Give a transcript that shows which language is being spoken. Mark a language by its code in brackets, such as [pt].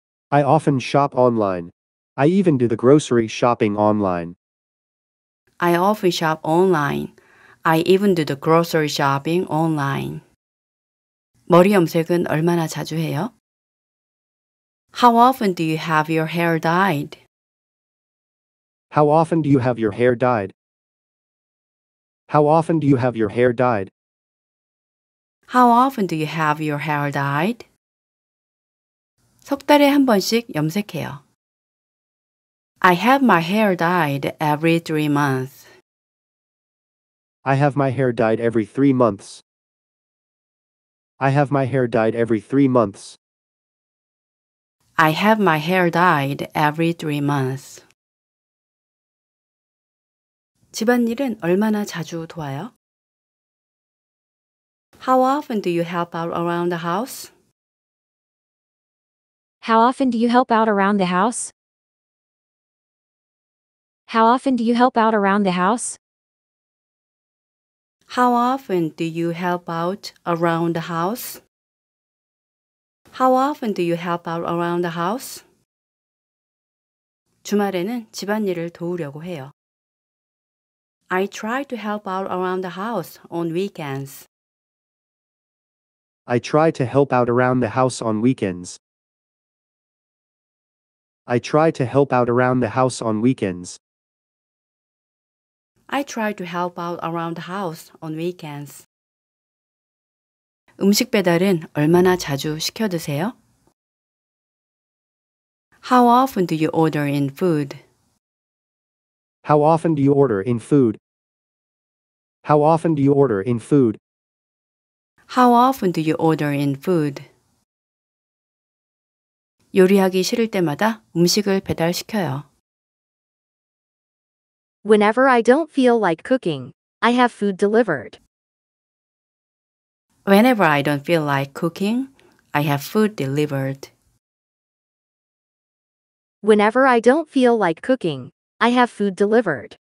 [en] I often shop online. I even do the grocery shopping online. I often shop online. I even do the grocery shopping online. [ko] 머리 염색은 얼마나 자주 해요? [en] How often do you have your hair dyed? How often do you have your hair dyed? How often do you have your hair dyed? How often do you have your hair dyed? [ko] 석 달에 한 번씩 염색해요. [en] I have my hair dyed every 3 months. I have my hair dyed every 3 months. I have my hair dyed every 3 months. I have my hair dyed every 3 months. [ko] 집안일은 얼마나 자주 도와요? [en] How often do you help out around the house? How often do you help out around the house? How often do you help out around the house? How often do you help out around the house? How often do you help out around the house? [ko] 주말에는 집안일을 도우려고 해요. [en] I try to help out around the house on weekends. I try to help out around the house on weekends. I try to help out around the house on weekends. I try to help out around the house on weekends. [ko] 음식 배달은 얼마나 자주 시켜 드세요? [en] How often do you order in food? How often do you order in food? How often do you order in food? How often do you order in food? [ko] 요리하기 싫을 때마다 음식을 배달시켜요. [en] Whenever I don't feel like cooking, I have food delivered. Whenever I don't feel like cooking, I have food delivered. Whenever I don't feel like cooking, I have food delivered.